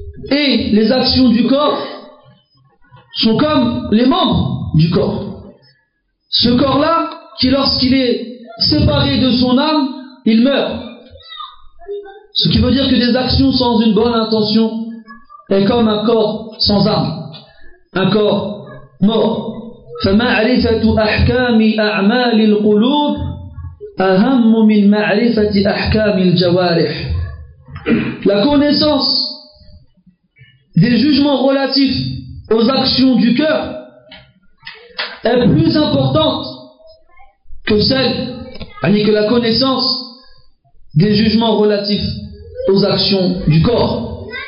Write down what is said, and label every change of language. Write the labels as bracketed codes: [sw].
[fr] Et les actions du corps sont comme les membres du corps. Ce corps-là, qui lorsqu'il est séparé de son âme, il meurt. Ce qui veut dire que des actions sans une bonne intention est comme un corps sans âme, un corps mort. [ar] فمعرفة أحكام أعمال القلوب أهم من معرفة أحكام الجوارح. [fr] La connaissance des jugements relatifs aux actions du cœur est plus importante que celle, ni que la connaissance des jugements relatifs aux actions du corps.